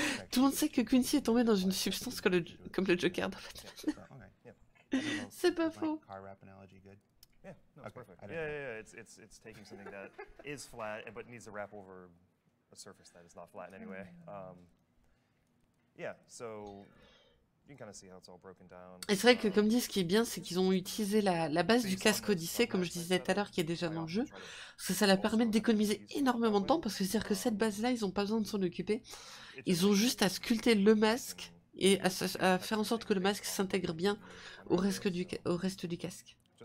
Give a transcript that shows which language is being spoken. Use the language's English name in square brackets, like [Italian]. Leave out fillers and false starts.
[French] Tout le monde sait que Quincy est tombé dans une substance comme le Joker, en fait. C'est pas faux. [English] It's taking something that is flat but needs to wrap over a surface that is not flat in any way. So you can kind of see how it's all broken down. [French] Et c'est vrai que comme dit, ce qui est bien, c'est qu'ils ont utilisé la base du casque Odyssée, comme je disais tout à l'heure, qui est déjà dans le jeu, parce que ça leur permet d'économiser énormément de temps, parce que c'est-à-dire que cette base-là, ils n'ont pas besoin de s'en occuper, ils ont juste à sculpter le masque et à faire en sorte que le masque s'intègre bien au reste du casque.